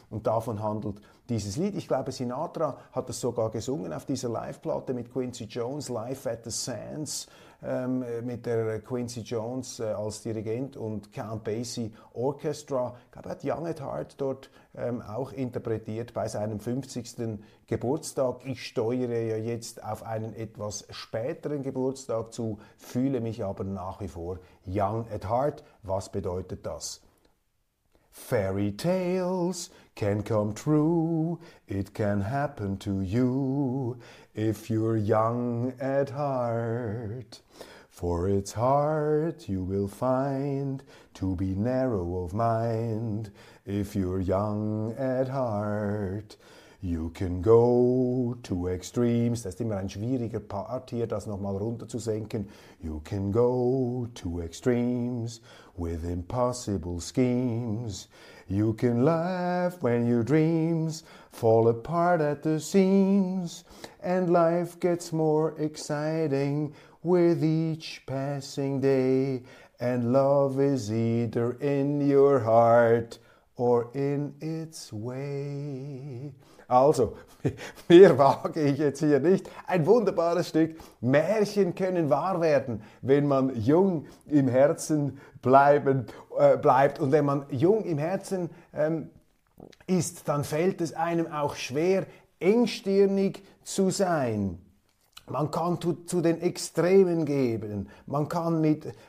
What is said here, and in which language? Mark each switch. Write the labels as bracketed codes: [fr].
[de] Und davon handelt dieses Lied. Ich glaube, Sinatra hat es sogar gesungen auf dieser Live-Platte mit Quincy Jones, Live at the Sands, mit der Quincy Jones als Dirigent und Count Basie Orchestra. Ich glaube, er hat Young at Heart dort auch interpretiert bei seinem 50. Geburtstag. Ich steuere ja jetzt auf einen etwas späteren Geburtstag zu, fühle mich aber nach wie vor [en] young at heart. [de] Was bedeutet das? [en] Fairy tales can come true, it can happen to you, if you're young at heart. For it's hard you will find to be narrow of mind, if you're young at heart. You can go to extremes. [de] Das ist immer ein schwieriger Part hier, das nochmal runterzusenken. [en] You can go to extremes with impossible schemes. You can laugh when your dreams fall apart at the seams. And life gets more exciting with each passing day. And love is either in your heart or in its way. [de] Also, mehr wage ich jetzt hier nicht. Ein wunderbares Stück. Märchen können wahr werden, wenn man jung im Herzen bleibt. Und wenn man jung im Herzen ist, dann fällt es einem auch schwer, engstirnig zu sein. Man kann zu den Extremen gehen. Man kann mit